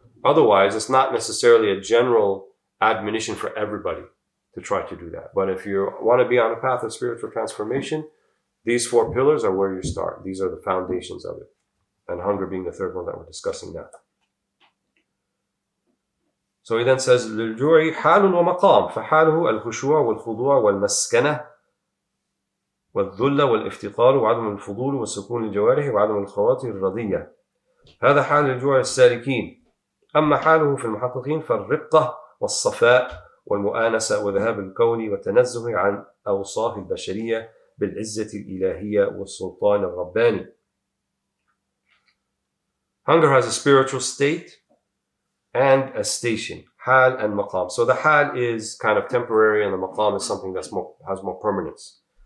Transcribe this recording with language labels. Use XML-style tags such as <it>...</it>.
<en>Otherwise, it's not necessarily a general admonition for everybody to try to do that. But if you want to be on a path of spiritual transformation, these four pillars are where you start. These are the foundations of it, and hunger being the third one that we're discussing now. So he then says,</en> <ar>للجوع حال ومقام فحاله الخشوع والخضوع والمسكنة والذل والافتقار وعدم الفضول وسكون الجوارح وعدم الخواطر الرضية. هذا حال الجوع السالكين. أما حاله في المحققين فالرقة والصفاء والمؤانسة وذهاب الكون وتنزه عن أوصاف البشرية بالعزة الإلهية والسلطان الرباني.</ar> <en>Hunger has a spiritual state and a station. Hal and maqam. So the hal is kind of temporary and the maqam is something that has more permanence.</en>